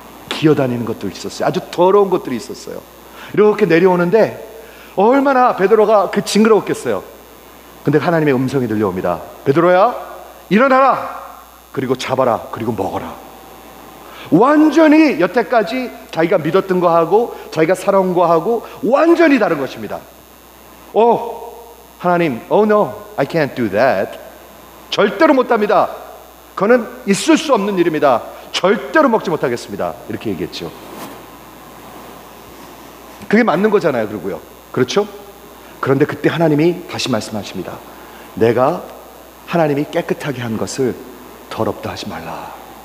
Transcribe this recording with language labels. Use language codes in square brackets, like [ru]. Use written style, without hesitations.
[ko] 기어다니는 것도 있었어요. 아주 더러운 것들이 있었어요. 이렇게 내려오는데 얼마나 베드로가 그 징그러웠겠어요. 근데 하나님의 음성이 들려옵니다. 베드로야, 일어나라. 그리고 잡아라. 그리고 먹어라. 완전히 여태까지 자기가 믿었던 거하고 자기가 살아온 거하고 완전히 다른 것입니다. 오, 하나님, [en] oh no, I can't do that. [ko] 절대로 못합니다. 그거는 있을 수 없는 일입니다. 절대로 먹지 못하겠습니다. 이렇게 얘기했죠. 그게 맞는 거잖아요. 그러고요. 그렇죠? 그런데 그때 하나님이 다시 말씀하십니다. 내가 하나님이 깨끗하게 한 것을 더럽다 하지 말라.